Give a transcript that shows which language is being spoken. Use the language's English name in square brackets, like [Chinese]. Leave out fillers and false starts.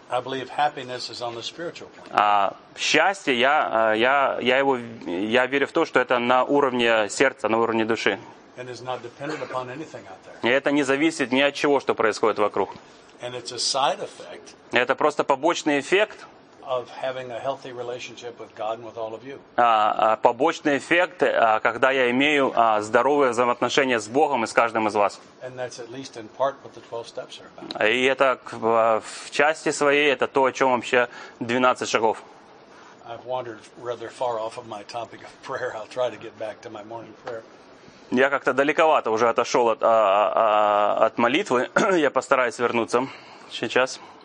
[English] I believe happiness is on the spiritual plane. [Russian] Счастье, я верю в то, что это на уровне сердца, на уровне души. [English] And is not dependent upon anything out there. [Russian] И это не зависит ни от чего, что происходит вокруг. [English] And it's a side effect. [Russian] Это просто побочный эффект [English] of having a healthy relationship with God and with all of you. [Russian] Побочный эффект, когда я имею здоровые взаимоотношения с Богом и с каждым из вас. [English] And that's at least in part what the 12 steps are about. [Russian] И это в части своей это то, о чём вообще 12 шагов. [English] I've wandered rather far off of my topic of prayer. I'll try to get back to my morning prayer. [Russian] Я как-то далековато уже отошёл от молитвы. Я постараюсь вернуться сейчас.